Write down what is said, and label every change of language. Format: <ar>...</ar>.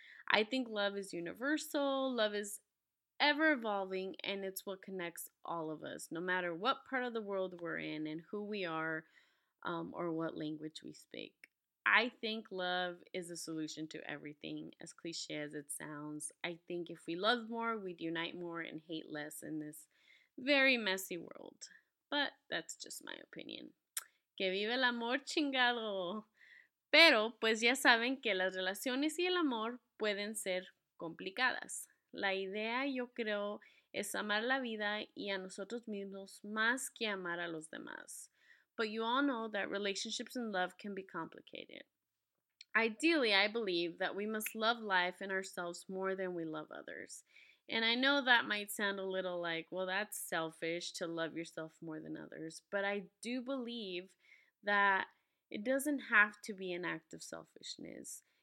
<en>I think love is universal, love is ever evolving, and it's what connects all of us, no matter what part of the world we're in and who we are or what language we speak. I think love is a solution to everything, as cliche as it sounds. I think if we love more, we'd unite more and hate less in this very messy world. But that's just my opinion.</en> <es>Que vive el amor chingado! Pero, pues ya saben que las relaciones y el amor pueden ser complicadas. La idea, yo creo, es amar la vida y a nosotros mismos más que amar a los demás.</es> <en>But you all know that relationships and love can be complicated. Ideally, I believe that we must love life and ourselves more than we love others. And I know that might sound a little like, well, that's selfish to love yourself more than others. But I do believe that it doesn't have to be an act of selfishness.</en>